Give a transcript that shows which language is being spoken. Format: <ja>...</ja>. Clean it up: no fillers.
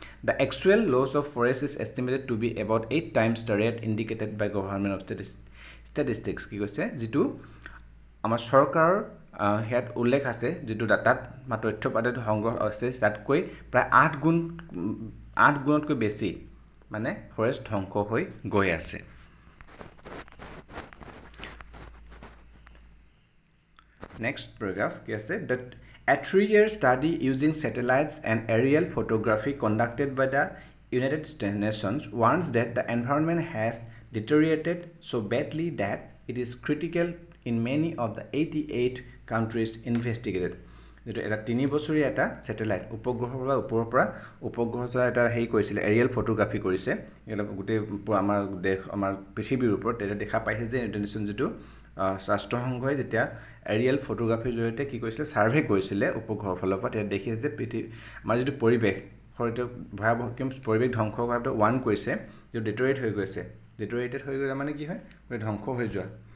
<en>the actual loss of forest is estimated to be about 8 times the rate indicated by government of statistics,</en> <as>কি কৈছে, যিটো আমাৰ চৰকাৰৰ ইয়াত উল্লেখ আছে, যিটো ডাটাত বা তথ্য পাতি সংগ্ৰহ আছে, তাতকৈ প্ৰায় 8 গুণতকৈ বেছি মানে ফৰেষ্ট ধ্বংস হৈ গৈ আছে। নেক্সট প্ৰগ্ৰাফ কি আছে,</as> <en>The a three year study using satellites and aerial photography conducted by the United Nations warns that the environment has deteriorated so badly that it is critical in many of the 88 countries investigated.</en> <as>যেটো এটা তিনি বছৰীয়া এটা satellite উপগ্ৰহৰ পৰা ওপৰৰ পৰা উপগ্ৰহ যোৱা এটা হেৰি কৰিছিলে এৰিয়েল ফটোগ্ৰাফি কৰিছে গোটেই আমাৰ দেশ আমাৰ পৃথিৱীৰ ওপৰত তেতিয়া দেখা পাইছে যে ইণ্টাৰনেশ্যন যিটো স্বাস্থ্যসংঘই যেতিয়া এৰিয়েল ফটোগ্ৰাফিৰ জৰিয়তে কি কৰিছিলে ছাৰ্ভে কৰিছিলে উপগ্ৰহৰ ফালৰ পৰা তেতিয়া দেখিছে যে আমাৰ যিটো পৰিৱেশৰ এইটো ভয়াৱহ পৰিৱেশ ধ্বংস হোৱাটো ওৱান কৈছে যিটো ডিটৰিয়েট হৈ গৈছে ডিটৰিয়েটেড হৈ গ'লে মানে কি হয় ধ্বংস হৈ যোৱা</as>